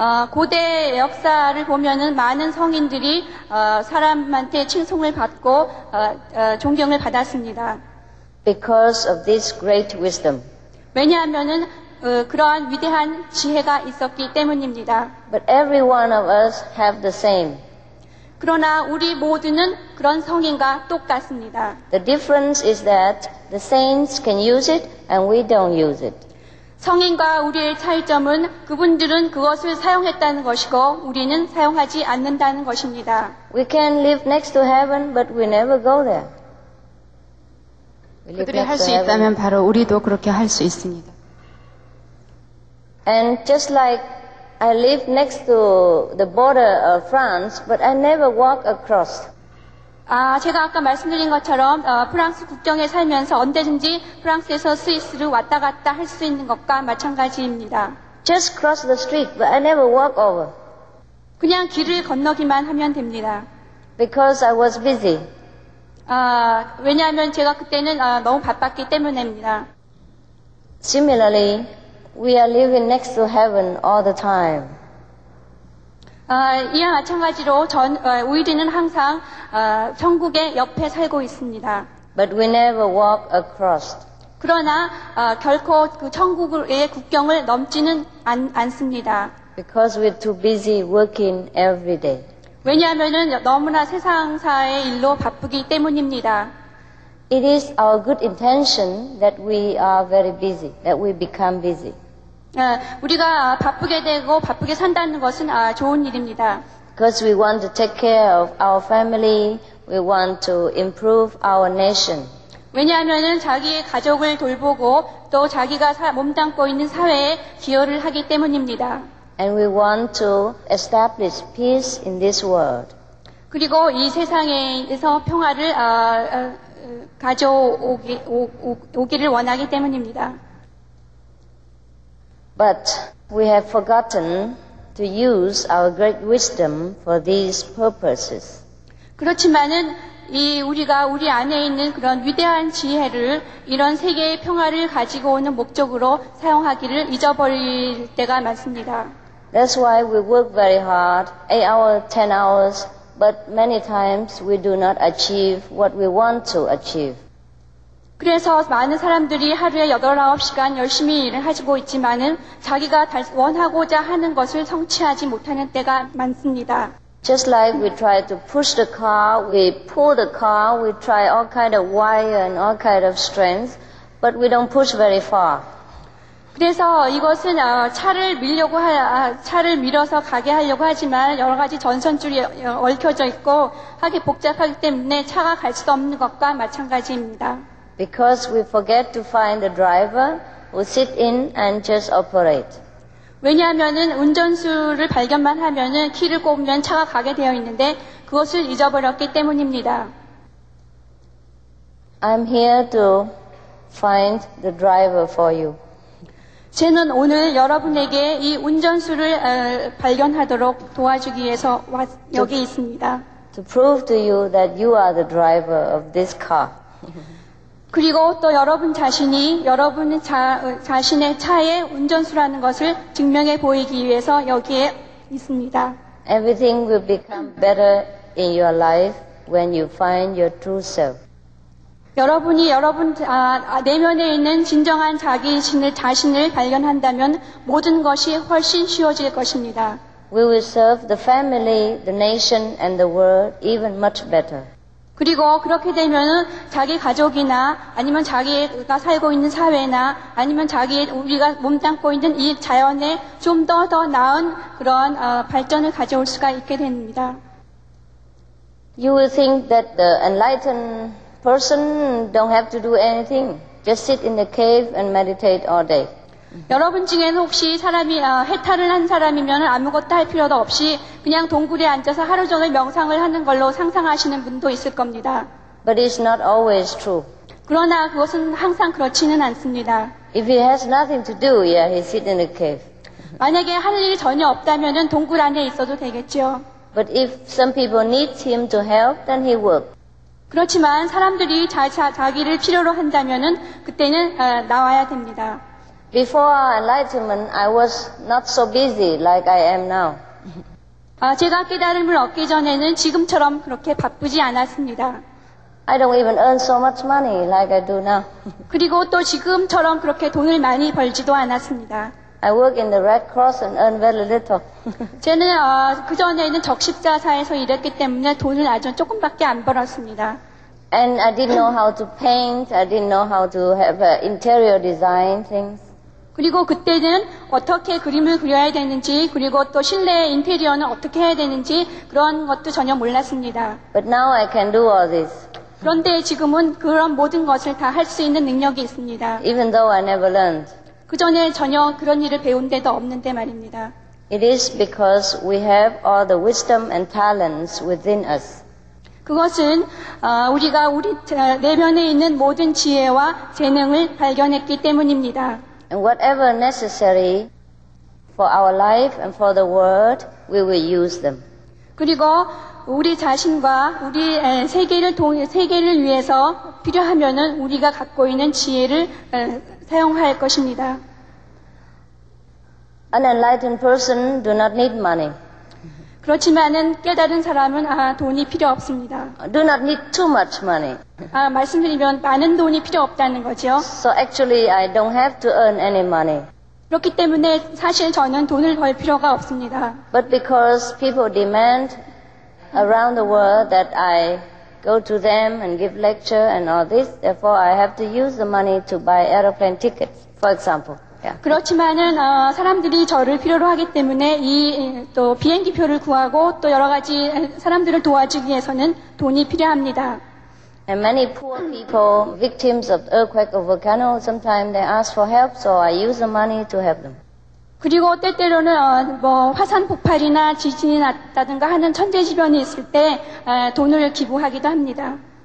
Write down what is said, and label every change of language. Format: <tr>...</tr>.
<ko>고대 역사를 보면은 많은 성인들이 사람한테 칭송을 받고 존경을 받았습니다.</ko> <en>Because of this great wisdom.</en> <ko>왜냐하면은 그러한 위대한 지혜가 있었기 때문입니다.</ko> <en>But every one of us have the same.</en> <ko>그러나 우리 모두는 그런 성인과 똑같습니다.</ko> <en>The difference is that the saints can use it and we don't use it.</en> <ko>성인과 우리의 차이점은 그분들은 그것을 사용했다는 것이고 우리는 사용하지 않는다는 것입니다.</ko> <en>We can live next to heaven but we never go there.</en> <ko>그들이 할 수 있다면 바로 우리도 그렇게 할 수 있습니다.</ko> <en>And just like I live next to the border of France, but I never walk across.</en> <ko>제가 아까 말씀드린 것처럼 프랑스 국경에 살면서 언제든지 프랑스에서 스위스를 왔다 갔다 할 수 있는 것과 마찬가지입니다.</ko> <en>Just cross the street, but I never walk over.</en> <ko>그냥 길을 건너기만 하면 됩니다.</ko> <en>Because I was busy.</en> <ko>왜냐하면 제가 그때는 너무 바빴기 때문입니다.</ko> <en>Similarly, we are living next to heaven all the time.</en> <ko>이와 마찬가지로 우리는 항상 천국의 옆에 살고 있습니다.</ko> <en>But we never walk across.</en> <ko>그러나 결코 그 천국의 국경을 넘지는 않습니다.</ko> <en>Because we're too busy working every day.</en> <ko>왜냐하면은 너무나 세상사의 일로 바쁘기 때문입니다.</ko> <en>It is our good intention that we are very busy, that we become busy.</en> <ko>우리가 바쁘게 되고 바쁘게 산다는 것은 좋은 일입니다.</ko> <en>Because we want to take care of our family, we want to improve our nation.</en> <ko>왜냐하면은 자기의 가족을 돌보고 또 자기가 몸담고 있는 사회에 기여를 하기 때문입니다.</ko> <en>And we want to establish peace in this world.</en> <ko>그리고 이 세상에서 평화를 가져오기를 원하기 때문입니다.</ko> <en>But we have forgotten to use our great wisdom for these purposes.</en> <ko>그렇지만은 우리가 우리 안에 있는 그런 위대한 지혜를 이런 세계의 평화를 가지고 오는 목적으로 사용하기를 잊어버릴 때가 많습니다.</ko> <en>That's why we work very hard, 8 hours, 10 hours, but many times we do not achieve what we want to achieve.</en> <ko>그래서 많은 사람들이 하루에 8, 9시간 열심히 일을 하고 있지만은 자기가 원하고자 하는 것을 성취하지 못하는 때가 많습니다.</ko> <en>Just like we try to push the car, we pull the car, we try all kind of wire and all kind of strength, but we don't push very far.</en> <ko>그래서 이것은 차를 밀어서 가게 하려고 하지만 여러 가지 전선줄이 얽혀져 있고 하기 복잡하기 때문에 차가 갈 수도 없는 것과 마찬가지입니다.</ko> <en>Because we forget to find a driver who sit in and just operate.</en> <ko>왜냐하면은 운전수를 발견만 하면은 키를 꼽으면 차가 가게 되어 있는데 그것을 잊어버렸기 때문입니다.</ko> <en>I'm here to find the driver for you.</en> <ko>저는 오늘 여러분에게 이 운전수를 발견하도록 도와주기 위해서 여기 있습니다.</ko> <en>To prove to you that you are the driver of this car.</en> <ko>그리고 또 여러분 자신이 여러분 자신의 차의 운전수라는 것을 증명해 보이기 위해서 여기에 있습니다.</ko> <en>Everything will become better in your life when you find your true self.</en> <ko>여러분이 여러분 내면에 있는 진정한 자신을 발견한다면 모든 것이 훨씬 쉬워질 것입니다.</ko> <en>We will serve the family, the nation and the world even much better.</en> <ko>그리고 그렇게 되면 자기 가족이나 아니면 자기가 살고 있는 사회나 아니면 자기 우리가 몸담고 있는 이 자연에 좀 더 나은 그런 발전을 가져올 수가 있게 됩니다.</ko> <en>You will think that the enlightened person don't have to do anything. Just sit in the cave and meditate all day.</en> <ko>여러분 중에는 혹시 사람이 해탈을 한 사람이면 아무것도 할 필요도 없이 그냥 동굴에 앉아서 하루 종일 명상을 하는 걸로 상상하시는 분도 있을 겁니다.</ko> <en>But it's not always true.</en> <ko>그러나 그것은 항상 그렇지는 않습니다.</ko> <en>If he has nothing to do, yeah, he sits in a cave.</en> <ko>만약에 할 일이 전혀 없다면은 동굴 안에 있어도 되겠죠.</ko> <en>But if some people need him to help, then he will.</en> <ko>그렇지만 사람들이 자기를 필요로 한다면은 그때는 나와야 됩니다.</ko> <en>Before enlightenment, I was not so busy like I am now.</en> <ko>제가 깨달음을 얻기 전에는 지금처럼 그렇게 바쁘지 않았습니다.</ko> <en>I don't even earn so much money like I do now.</en> <ko>그리고 또 지금처럼 그렇게 돈을 많이 벌지도 않았습니다.</ko> <en>I work in the Red Cross and earn very little.</en> <ko>저는 그 전에는 적십자사에서 일했기 때문에 돈을 아주 조금밖에 안 벌었습니다.</ko> <en>And I didn't know how to paint. I didn't know how to have an interior design things.</en> <ko>그리고 그때는 어떻게 그림을 그려야 되는지, 그리고 또 실내 인테리어는 어떻게 해야 되는지 그런 것도 전혀 몰랐습니다.</ko> <en>But now I can do all this.</en> <ko>그런데 지금은 그런 모든 것을 다 할 수 있는 능력이 있습니다.</ko> <en>Even though I never learned.</en> <ko>그 전에 전혀 그런 일을 배운 데도 없는데 말입니다.</ko> <en>It is because we have all the wisdom and talents within us.</en> <ko>그것은 우리가 우리 내면에 있는 모든 지혜와 재능을 발견했기 때문입니다.</ko> <en>And whatever necessary for our life and for the world, we will use them.</en> <ko>그리고 우리 자신과 우리 세계를 위해서 필요하면은 우리가 갖고 있는 지혜를 사용할 것입니다.</ko> <en>An enlightened person do not need money.</en> <ko>그렇지만은 깨달은 사람은 돈이 필요 없습니다.</ko> <en>Do not need too much money.</en> <ko>말씀드리면 많은 돈이 필요 없다는 거죠.</ko> <en>So actually I don't have to earn any money.</en> <ko>그렇기 때문에 사실 저는 돈을 벌 필요가 없습니다.</ko> <en>But because people demand around the world that I go to them and give lecture and all this, therefore I have to use the money to buy aeroplane tickets, for example. Yeah.</en> <ko>그렇지만은 사람들이 저를 필요로 하기 때문에 이 또 비행기표를 구하고 또 여러 가지 사람들을 도와주기 위해서는 돈이 필요합니다.</ko> <en>And many poor people, victims of earthquake or volcano, sometimes they ask for help, so I use the money to help them.</en> <ko>그리고 때때로는 화산 폭발이나 지진이 났다든가 하는 천재지변이 있을 때 돈을 기부하기도 합니다.</ko>